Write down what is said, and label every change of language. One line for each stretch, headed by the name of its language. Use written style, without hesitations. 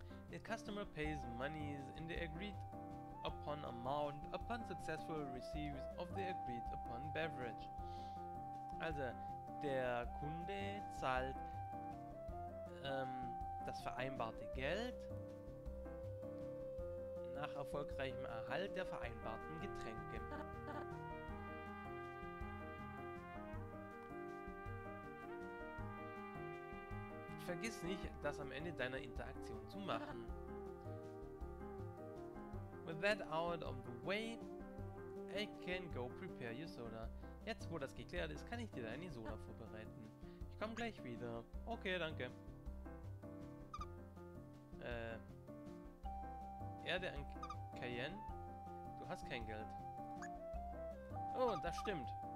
English: The customer pays money in the agreed upon amount upon successful receipt of the agreed upon beverage.
German: Also, der Kunde zahlt das vereinbarte Geld nach erfolgreichem Erhalt der vereinbarten Getränke. Vergiss nicht, das am Ende deiner Interaktion zu machen.
English: With that out of the way, I can go prepare your soda.
German: Jetzt, wo das geklärt ist, kann ich dir deine Soda vorbereiten. Ich komme gleich wieder. Okay, danke. Erde an Cayenne? Du hast kein Geld. Oh, das stimmt.